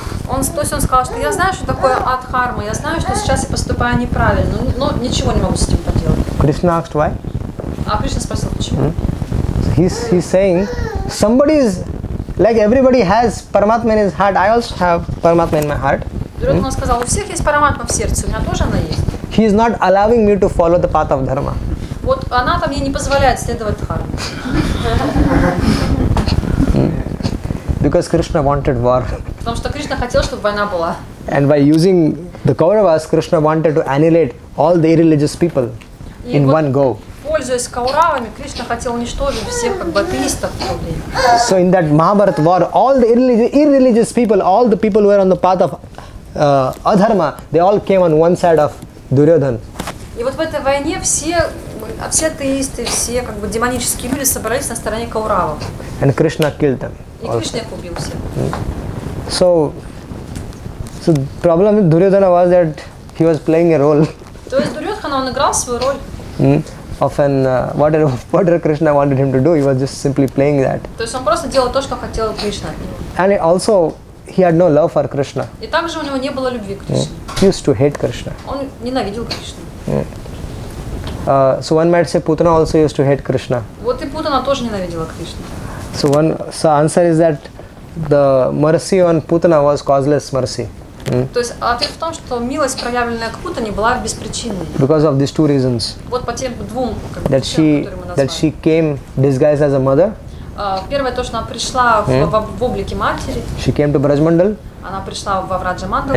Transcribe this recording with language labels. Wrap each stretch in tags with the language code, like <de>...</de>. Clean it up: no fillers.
<ru>Он то есть он сказал, что я знаю, что такое адхарма, я знаю, что сейчас я поступаю неправильно, но ничего не могу с этим поделать.</ru> <en>Krishna asked why?</en> <ru>А Кришна спросил почему?</ru> <en>He's saying somebody is like everybody has Paramatma in his heart. I also have Paramatma in my heart.</en> <ru>Дурьодхана сказал, у всех есть Paramatma в сердце, у меня тоже она есть.</ru> <en>He is not allowing me to follow the path of dharma.</en> <ru>Вот она там ей не позволяет следовать дхарме.</ru> <en>Because Krishna wanted war.</en> <ru>Потому что Кришна хотел, чтобы война была.</ru> <en>And by using the Kauravas, Krishna wanted to annihilate all the irreligious people in one go.</en> <ru>Пользуясь Кауравами, Кришна хотел уничтожить всех как бы атеистов.</ru> <en>So in that Mahabharata war, all the irreligious people, all the people who were on the path of adharma, they all came on one side of Duryodhana.</en> <ru>И вот в этой войне все атеисты, все как бы демонические люди собрались на стороне Кауравов.</ru> <en>And Krishna killed them.</en> <ru>И Кришна их убил всех.</ru> <en>So problem with Duryodhana was that he was playing a role.</en> <ru>То есть Дурьодхана он играл свою роль.</ru> <en>Of an whatever Krishna wanted him to do, he was just simply playing that.</en> <ru>То есть он просто делал то, что хотел Кришна от него.</ru> <en>And also he had no love for Krishna.</en> <ru>И также у него не было любви к Кришне.</ru> <en>He used to hate Krishna.</en> <ru>Он ненавидел Кришну.</ru> <en>So one might say Putana also used to hate Krishna.</en> <ru>Вот и Путана тоже ненавидела Кришну.</ru> <en>So answer is that the mercy on Putana was causeless mercy.</en> <ru>То есть ответ в том, что милость, проявленная к Путане, была беспричинной.</ru> <en>Because of these two reasons.</en> <ru>Вот по тем двум.</ru> <en>That she came disguised as a mother.</en> <ru>Первое то, что она пришла в облике матери.</ru> <en>She came to Brajmandal.</en> <ru>Она пришла во Враджамандалу.</ru>